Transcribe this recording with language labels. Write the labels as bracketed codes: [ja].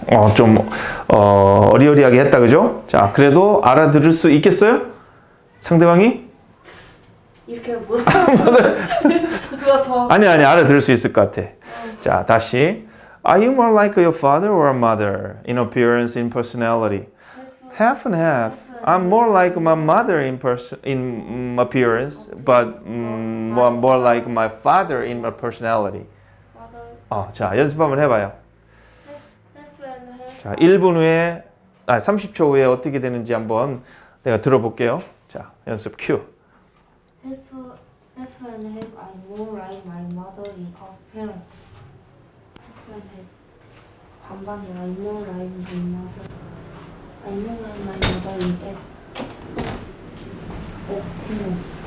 [ko] 어, 좀 어리어리하게 했다, 그죠? 자, 그래도 알아들을 수 있겠어요? 상대방이? 이렇게 못 누가 더 아니, 알아들을 수 있을 것 같아. 자, 다시. [en] Are you more like your father or mother in appearance, in personality? Half and half. I'm more like my mother in appearance, but more like my father in my personality. [ko] 어, 자, 연습 한번 해봐요. 자, 1분 후에, 아, 30초 후에 어떻게 되는지 한번 내가 들어볼게요. 자, 연습 큐. [en] Half and half, I'm more like my mother in I'm more like my mother in appearance,